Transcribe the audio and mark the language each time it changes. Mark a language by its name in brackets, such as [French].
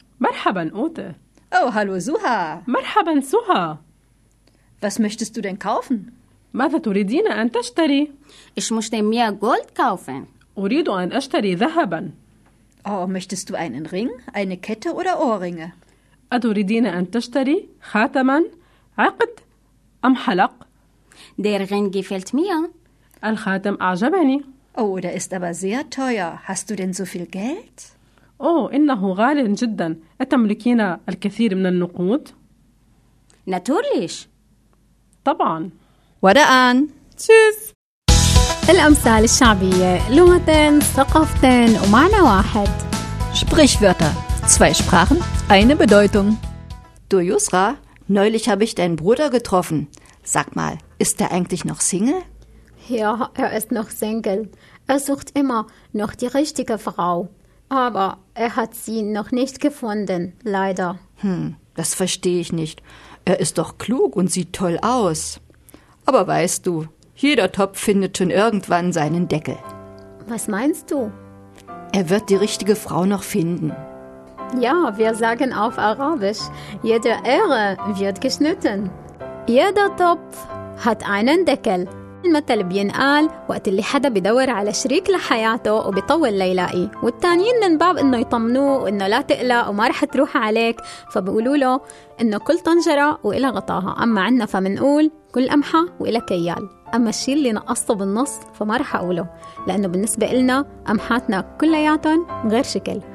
[Arabic] Marhaban, Ute. [German] Oh, hallo, Suha. [Arabic] Marhaban, Suha. [German] Was möchtest du denn kaufen? [Arabic] ماذا تريدين أن تشتري? [German] Ich möchte mir Gold kaufen. [Arabic] أريد أن أشتري ذهبا. [German] Oh, möchtest du einen Ring, eine Kette oder Ohrringe? [Arabic] أتريدين أن تشتري خاتما؟ عقد أم حلق؟ [German] Der Ring gefällt mir. [Arabic] الخاتم أعجبني. [German] Oh, der ist aber sehr teuer. Hast du denn so viel Geld? [Arabic] Oh, إنه غالي جدا. أتملكين الكثير من النقود؟ [German] Natürlich. [Arabic] طبعا. ودعان. [German] تشيس. [Arabic] الأمثال الشعبية. لغتين، ثقافتين ومعنى واحد. [German] Sprichwörter. 2 Sprachen, eine Bedeutung. Du Yusra. Neulich habe ich deinen Bruder getroffen. Sag mal, ist er eigentlich noch Single? Ja, er ist noch Single. Er sucht immer noch die richtige Frau. Aber er hat sie noch nicht gefunden, leider. Das verstehe ich nicht. Er ist doch klug und sieht toll aus. Aber weißt du, jeder Topf findet schon irgendwann seinen Deckel. Was meinst du? Er wird die richtige Frau noch finden. Ja, wir sagen auf Arabisch, jede Ehre wird geschnitten. Jeder Topf hat einen Deckel. [Arabic] المثل بينقال وقت اللي حدا بدور على شريك لحياته وبيطول ليلاقي، والتانيين من باب انه يطمنوه وانه لا تقلق وما رح تروح عليك، فبقولوا له انه كل طنجرة وإلى غطاها، اما عنا فمنقول كل قمحة وإلى كيال. اما الشيء اللي نقصته بالنص فما رح اقوله، لانه بالنسبة إلنا قمحاتنا كلياتهم غير شكل.